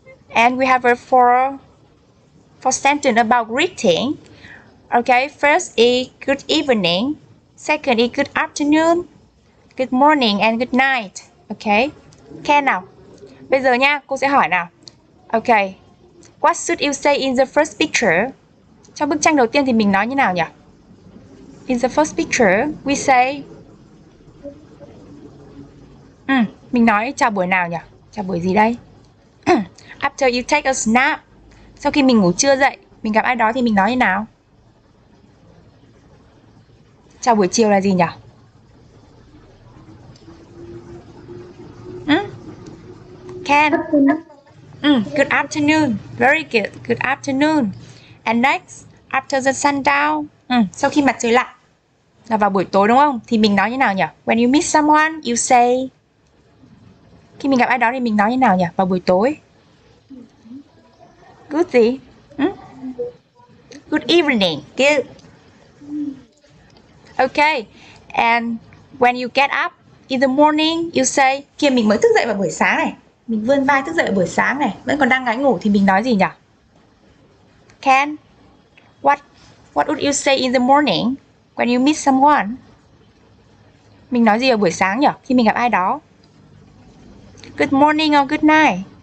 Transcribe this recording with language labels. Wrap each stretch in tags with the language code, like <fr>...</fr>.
<en>And we have a four sentence about greeting. Okay, first is good evening. Second is good afternoon, good morning and good night.</en> <vi>Okay, Ken nào. Bây giờ nha, cô sẽ hỏi nào.</vi> <en>Okay, what should you say in the first picture?</en> <vi>Trong bức tranh đầu tiên thì mình nói như nào nhỉ?</vi> <en>In the first picture, we say...</en> <vi>mình nói chào buổi nào nhỉ? Chào buổi gì đây?</vi> <en>After you take a nap.</en> <vi>Sau khi mình ngủ trưa dậy, mình gặp ai đó thì mình nói như nào? Chào buổi chiều là gì nhỉ?</vi> <en>Ken. Good afternoon. Very good. Good afternoon. And next, after the sundown.</en> <vi>Sau khi mặt trời lặn. Là vào buổi tối đúng không? Thì mình nói như nào nhỉ?</vi> <en>When you meet someone, you say.</en> <vi>Khi mình gặp ai đó thì mình nói như nào nhỉ? Vào buổi tối.</vi> <en>Good gì? Good evening. Good. Okay, and when you get up in the morning, you say.</en> <vi>Kìa, mình mới thức dậy vào buổi sáng này. Mình vươn vai thức dậy vào buổi sáng này. Vẫn còn đang ngáy ngủ thì mình nói gì nhỉ?</vi> <en>Ken, what would you say in the morning when you meet someone?</en> <vi>Mình nói gì ở buổi sáng nhỉ? Khi mình gặp ai đó.</vi> <en>Good morning or good night?</en>